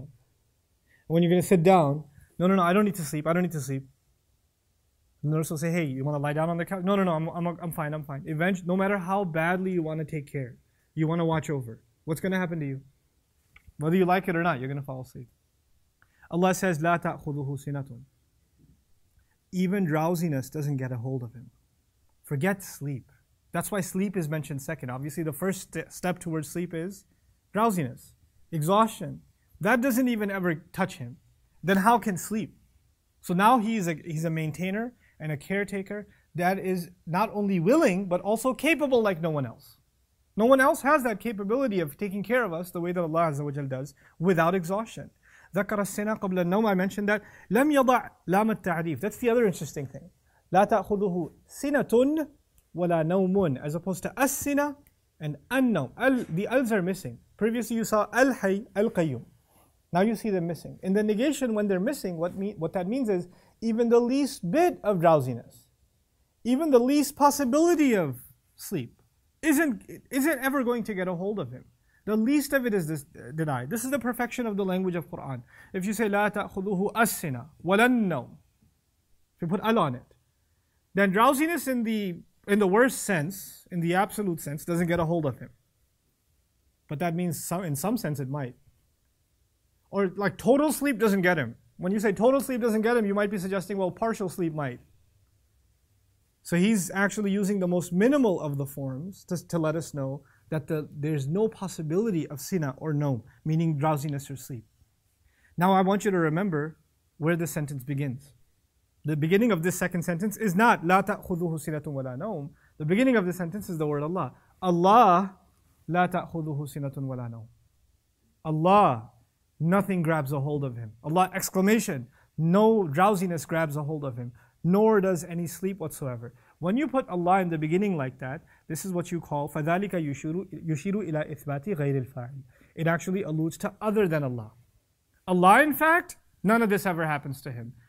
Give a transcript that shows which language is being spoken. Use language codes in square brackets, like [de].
[en] And when you're going to sit down, no, I don't need to sleep, The nurse will say, hey, you want to lie down on the couch? No, I'm fine. Eventually, no matter how badly you want to take care, you want to watch over, what's going to happen to you? Whether you like it or not, you're going to fall asleep. Allah says, [ar] لا تأخذه سنة. [en] Even drowsiness doesn't get a hold of him. Forget sleep. That's why sleep is mentioned second. Obviously, the first step towards sleep is drowsiness, exhaustion. That doesn't even ever touch him. Then how can sleep? So now he's a maintainer and a caretaker that is not only willing, but also capable like no one else. No one else has that capability of taking care of us the way that Allah Azza wa Jal does without exhaustion. [ar] ذَكَرَ السِّنَا قَبْلَ النَّوْمَ. [en] I mentioned that. [ar] لَمْ يَضَعْ لَامَ التَّعْرِيفِ. [en] That's the other interesting thing. [ar] لا تأخذه سنة ولا نوم, [en] as opposed to [ar] السنة and النوم. [en] The ألز are missing. Previously you saw الحي القيوم. Now you see them missing. In the negation, when they're missing, what that means is even the least bit of drowsiness, even the least possibility of sleep, isn't ever going to get a hold of him. The least of it is denied. This is the perfection of the language of Quran. If you say [ar] لا تأخذه السنة ولا النوم, [en] if you put al on it, then drowsiness in the worst sense, in the absolute sense, doesn't get a hold of him. But that means in some sense it might. Or like total sleep doesn't get him. When you say total sleep doesn't get him, you might be suggesting, well, partial sleep might. So he's actually using the most minimal of the forms to let us know that there's no possibility of sina or no, meaning drowsiness or sleep. Now I want you to remember where the sentence begins. The beginning of this second sentence is not [ar] لا تأخذه سنة ولا نوم. [en] The beginning of the sentence is the word Allah. [ar] Allah, لا تأخذه سنة ولا نوم. [en] Allah, nothing grabs a hold of him. Allah, exclamation, no drowsiness grabs a hold of him, nor does any sleep whatsoever. When you put Allah in the beginning like that, this is what you call [ar] فَذَلِكَ يُشِيرُ إِلَىٰ إِثْبَاتِ غَيْرِ الْفَاعِلِ. [en] It actually alludes to other than Allah. Allah, in fact, none of this ever happens to him.